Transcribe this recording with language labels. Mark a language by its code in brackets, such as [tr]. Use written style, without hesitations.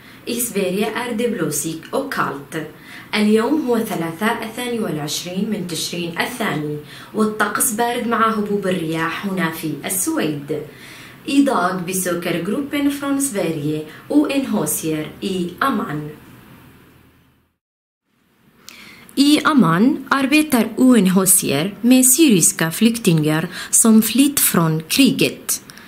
[sv] I Sverige är det blåsigt och kallt. [ar] اليوم هو 23 من تشرين الثاني والطقس بارد مع هبوب الرياح هنا في السويد. [sv] I dag besöker gruppen från Sverige och en hosier i Amman. I Amman arbetar UNHCR med syriska flyktingar som flytt från kriget.